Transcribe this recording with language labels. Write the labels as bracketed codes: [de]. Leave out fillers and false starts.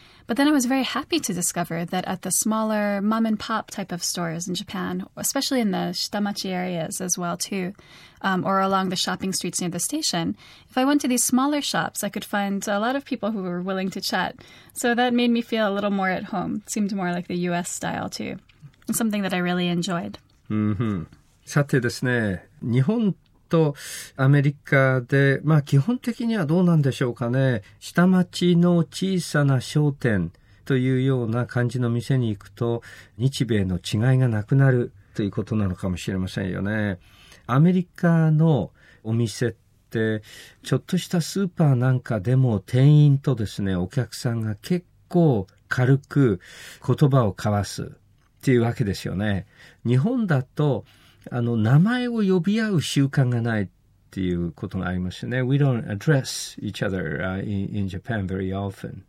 [en] But then I was very happy to discover that at the smaller mom-and-pop type of stores in Japan, especially in the shitamachi areas as well, too, or along the shopping streets near the station, if I went to these smaller shops, I could find a lot of people who were willing to chat. So that made me feel a little more at home. It seemed more like the U.S. style, too. Something that I really enjoyed. Mm-hmm. [ja] さてですね、日本とアメリカで、まあ基本的にはどうなんでしょうかね。下町の小さな商店というような感じの店に行くと、日米の違いがなくなるということなのかもしれませんよね。アメリカのお店って、ちょっとしたスーパーなんかでも店員とですね、お客さんが結構軽く言葉を交わす。っていうわけですよね。日本だと名前を呼び合う習慣がないっていうことがありますよね。 [en] We don't address each other in Japan very often.